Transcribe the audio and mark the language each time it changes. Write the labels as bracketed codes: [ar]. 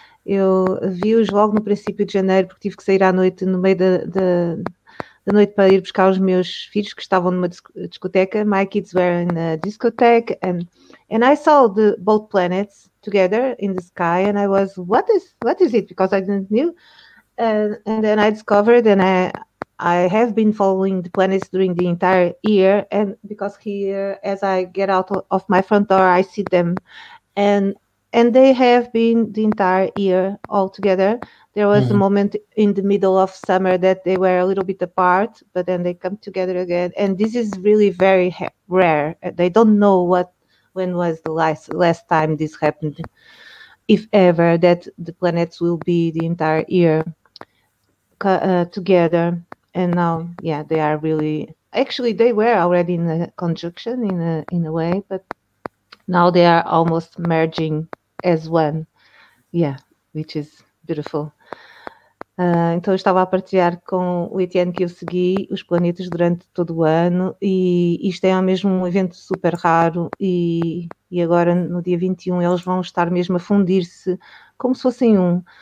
[pt] Eu vi-os logo no princípio de janeiro, porque tive que sair à noite, no meio da noite, para ir buscar os meus filhos que estavam numa discoteca. [en] My kids were in a discotheque, and I saw the both planets together in the sky, and I was, what is it? Because I didn't know. And then I discovered, and I have been following the planets during the entire year, and because here, as I get out of my front door, I see them, and they have been the entire year all together. There was a moment in the middle of summer that they were a little bit apart, but then they come together again, and this is really very ha rare. They don't know when was the last time this happened, if ever, that the planets will be the entire year together. And now, yeah, they are really, actually they were already in a conjunction in a way, but now they are almost merging as one, yeah, which is beautiful. [pt] Então, eu estava a partilhar com o Etienne que eu segui os planetas durante todo o ano, e isto é mesmo um evento super raro. E agora, no dia 21, eles vão estar mesmo a fundir-se como se fossem um.